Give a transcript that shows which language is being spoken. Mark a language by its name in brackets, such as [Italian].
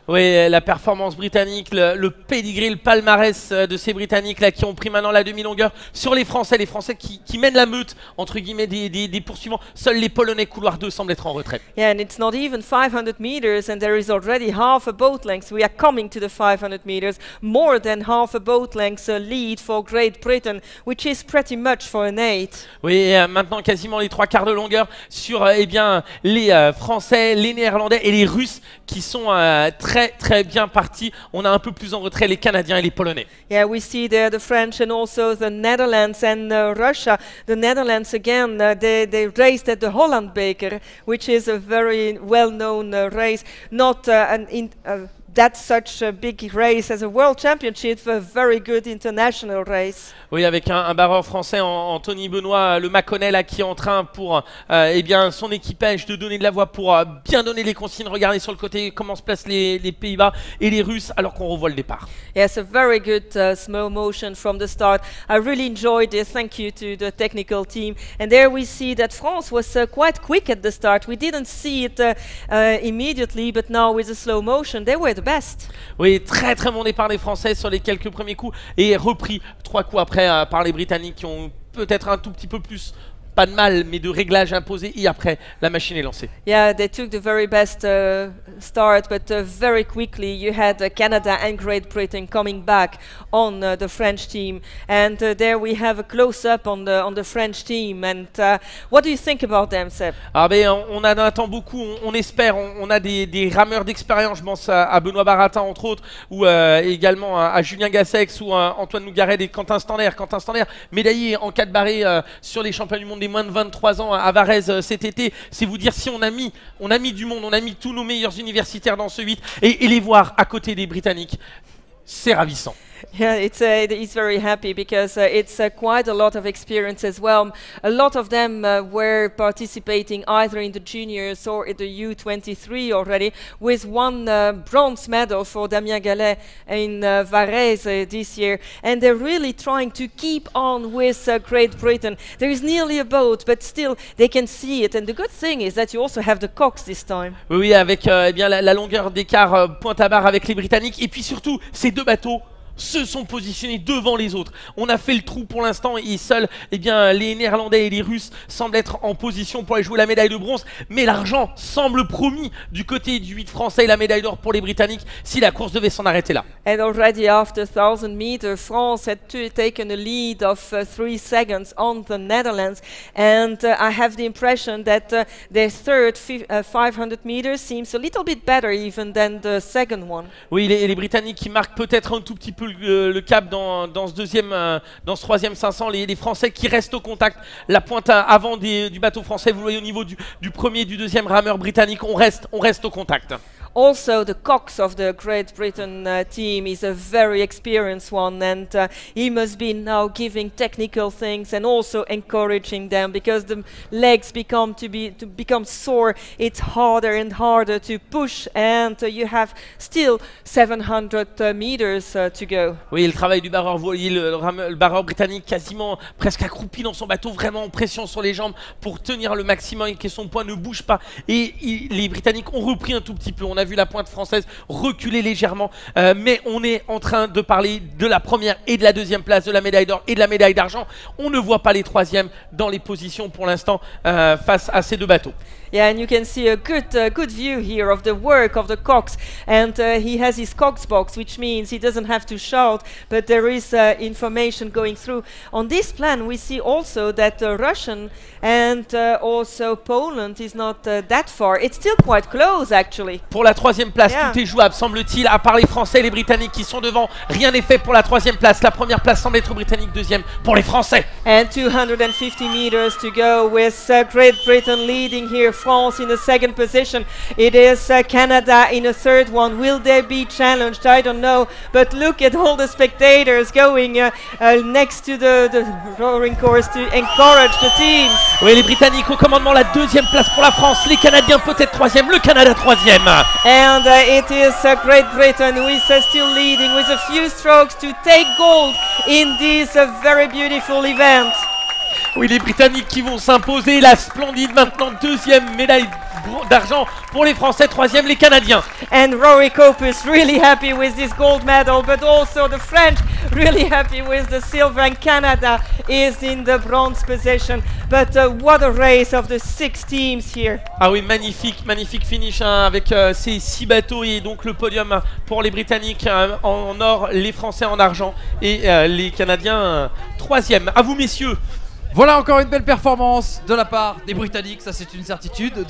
[French] Oui, la performance britannique, le pedigree, le palmarès de ces Britanniques là qui ont pris maintenant la demi-longueur sur les Français qui mènent la meute entre guillemets des poursuivants. Seuls les Polonais couloir 2 semblent être en retrait. [English] Yeah, and it's not even 500 meters, and there is already half a boat length. We are coming to the 500 meters, more than half a boat length lead for Great Britain, which is pretty much for an 8. [French] Oui, maintenant quasiment les trois quarts de longueur sur les Français, les Néerlandais et les Russes qui sont très très bien partis. On a un peu plus en retrait les Canadiens et les Polonais. [English] Yeah, we see there the French and also the Netherlands and Russia. The Netherlands again, they raced at the Holland Baker, which is a very well-known race, not that's such a big race as a world championship, a very good international race. [French] Oui, avec un barreur français, Anthony Benoît, le Mâconnais là, qui est en train pour son équipage de donner de la voix pour bien donner les consignes. Regardez sur le côté comment se placent les Pays-Bas et les Russes alors qu'on revoit le départ. [English] Yes, a very good slow motion from the start. I really enjoyed it. Thank you to the technical team. And there we see that France was quite quick at the start. We didn't see it immediately, but now with the slow motion, they were the best. [French] Oui, très très bon départ des Français sur les quelques premiers coups et repris trois coups après par les Britanniques qui ont peut-être un tout petit peu plus, pas de mal, mais de réglages imposés et après la machine est lancée. [English] Yeah, they took the very best start, but very quickly you had Canada and Great Britain coming back on the French team. And there we have a close-up on the French team. And what do you think about them, Seb? [French] Ah ben, on en attend beaucoup, on espère, on a des rameurs d'expérience, je pense à Benoît Baratin entre autres, ou également à Julien Gassex ou à Antoine Nougaret et Quentin Stanner, médaillé en 4 barrés sur les championnats du monde des moins de 23 ans à Varese cet été. C'est vous dire si on a mis du monde, on a mis tous nos meilleurs universitaires dans ce 8 et les voir à côté des Britanniques, c'est ravissant. [English] Yeah, he's very happy because it's quite a lot of experience as well. A lot of them were participating either in the juniors or in the U23 already, with one bronze medal for Damien Gallet in Varese this year. And they're really trying to keep on with Great Britain. There is nearly a boat, but still they can see it. And the good thing is that you also have the cox this time. [French] Oui, avec la longueur d'écart pointe à barre avec les Britanniques. Et puis surtout, ces deux bateaux se sont positionnés devant les autres. On a fait le trou pour l'instant et seuls les Néerlandais et les Russes semblent être en position pour aller jouer la médaille de bronze. Mais l'argent semble promis du côté du 8 français et la médaille d'or pour les Britanniques si la course devait s'en arrêter là. [English] And already after 1000 meters, France had taken a lead of 3 seconds on the Netherlands. And I have the impression that their third 500 meters seems a little bit better even than the second one. [French] Oui, les Britanniques qui marquent peut-être un tout petit peu le cap dans ce troisième 500, les Français qui restent au contact, la pointe avant du bateau français, vous voyez au niveau du premier, du deuxième rameur britannique, on reste au contact. [English] Also, the cox of the Great Britain team is a very experienced one, and he must be now giving technical things and also encouraging them because the legs become sore. It's harder and harder to push, and you have still 700 meters to go. [French] Oui, le travail du barreur, vous voyez le barreur britannique quasiment presque accroupi dans son bateau, vraiment en pression sur les jambes pour tenir le maximum et que son poids ne bouge pas. Et les Britanniques ont repris un tout petit peu. On a vu la pointe française reculer légèrement, mais on est en train de parler de la première et de la deuxième place, de la médaille d'or et de la médaille d'argent. On ne voit pas les troisièmes dans les positions pour l'instant face à ces deux bateaux. [English] Yeah, and you can see a good view here of the work of the cox, and he has his cox box, which means he doesn't have to shout, but there is information going through. On this plan, we see also that Russian and also Poland is not that far. It's still quite close, actually. [French] Pour la troisième place, yeah. Tout est jouable, semble-t-il, à part les Français et les Britanniques qui sont devant. Rien n'est fait pour la troisième place. La première place semble être britannique, deuxième pour les Français. [English] And 250 meters to go with Great Britain leading here. France in the second position. It is Canada in the third one. Will they be challenged? I don't know. But look at all the spectators going next to the roaring course to encourage the teams. [French] Oui, les Britanniques au commandement, la deuxième place pour la France. Les Canadiens peut-être troisième. Le Canada troisième. [English] And it is Great Britain who is still leading with a few strokes to take gold in this very beautiful event. [French] Oui, les Britanniques qui vont s'imposer. La splendide maintenant deuxième médaille d'argent pour les Français, troisième les Canadiens. [English] And Rory Cope is really happy with this gold medal, but also the French really happy with the silver, and Canada is in the bronze position. But what a race of the six teams here. [French] Ah oui, magnifique, magnifique finish hein, avec ces six bateaux et donc le podium pour les Britanniques en or, les Français en argent et les Canadiens troisième. À vous messieurs. Voilà encore une belle performance de la part des Britanniques, ça c'est une certitude.